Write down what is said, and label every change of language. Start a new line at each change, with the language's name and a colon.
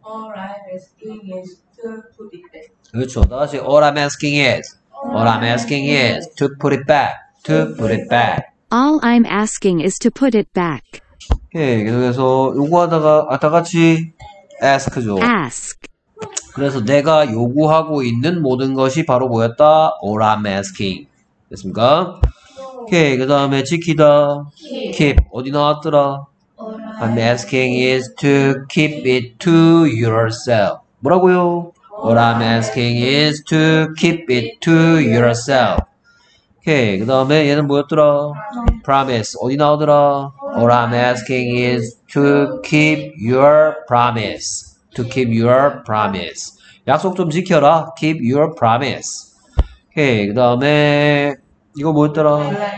English: All I'm asking is to put it back.
Korean: 그렇죠. 다시
English: all I'm asking is. All I'm asking is to put it back. to put it back. All I'm asking is to put it back.
Korean: 예, 계속해서 요구하다가 다 같이 ask죠.
English: Ask.
Korean: 그래서 내가 요구하고 있는 모든 것이 바로 뭐였다?
English: All I'm asking.
Korean: 됐습니까? 오케이, 그 다음에 지키다.
English: Keep.
Korean: 어디 나왔더라?
English: All I'm asking is to keep it to yourself.
Korean: 뭐라고요?
English: All I'm asking is to keep it to yourself.
Korean: 오케이, 그 다음에 얘는 뭐였더라? Promise. 어디 나오더라?
English: All I'm asking is to keep your promise. To keep your promise.
Korean: 약속 좀 지켜라.
English: Keep your promise.
Korean: 오케이, 그 다음에 이거 뭐였더라?